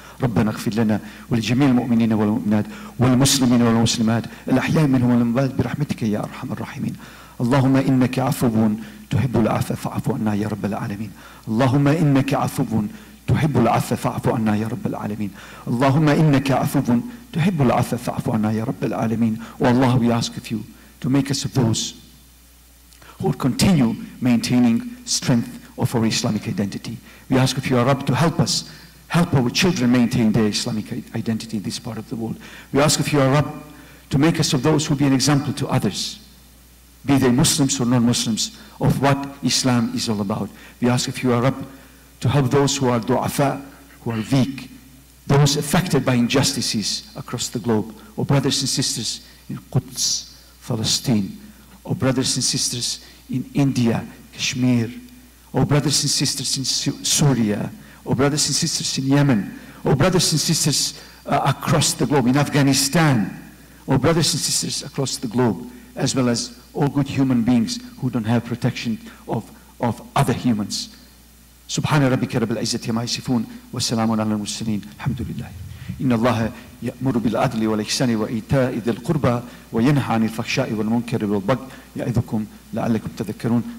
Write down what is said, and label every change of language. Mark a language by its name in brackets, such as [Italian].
[Arabic] ربنا اغفر لنا ولجميع المؤمنين والمؤمنات والمسلمين والمسلمات الأحياء منهم والأموات برحمتك يا أرحم الراحمين. اللهم إنك عفو تحب العفو فاعف عنا يا رب العالمين. اللهم إنك عفو تحب العفو فاعف عنا يا رب العالمين. اللهم إنك عفو تحب العفو فاعف عنا يا رب العالمين. والله [English] we ask of you to make us of those who will continue maintaining strength of our Islamic identity. We ask of you, Ya Rab, to help us, help our children maintain their Islamic identity in this part of the world. We ask of you, Ya Rab, to make us of those who be an example to others, be they Muslims or non-Muslims, of what Islam is all about. We ask of you, Ya Rab, to help those who are du'afa, who are weak, those affected by injustices across the globe, or brothers and sisters in Quds, Palestine, or brothers and sisters in India, Kashmir, or brothers and sisters in Syria, or brothers and sisters in Yemen, or brothers and sisters across the globe, in Afghanistan, or brothers and sisters across the globe, as well as all good human beings who don't have protection of other humans. [Arabic] سبحان ربك رب العزة عما يصفون والسلام على المرسلين الحمد لله. إن الله يأمر بالعدل والإحسان وإيتاء ذي القربى وينهى عن الفحشاء والمنكر والبغي يعظكم لعلكم تذكرون.